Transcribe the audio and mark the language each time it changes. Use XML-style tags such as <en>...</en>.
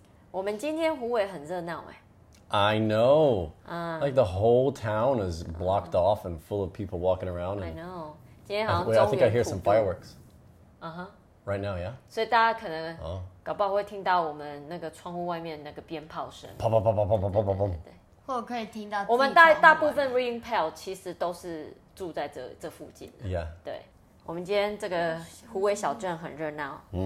<zh>我们今天湖尾很热闹诶.</zh> <en>I know. Like the whole town is blocked off and full of people walking around. And I know.</en> <zh>今天好像中原普渡.</zh> <en>Wait, I think I hear some fireworks. Right now, yeah.</en> <zh>所以大家可能搞不好会听到我们那个窗户外面那个鞭炮声. Pop, pop, pop, pop, pop, pop, pop, pop. 或可以听到自己窗户外面. 我们大部分reading pal其实都是住在这附近.</zh> <en>Yeah.</en> <zh>对. 我们今天这个湖尾小镇很热闹.</zh>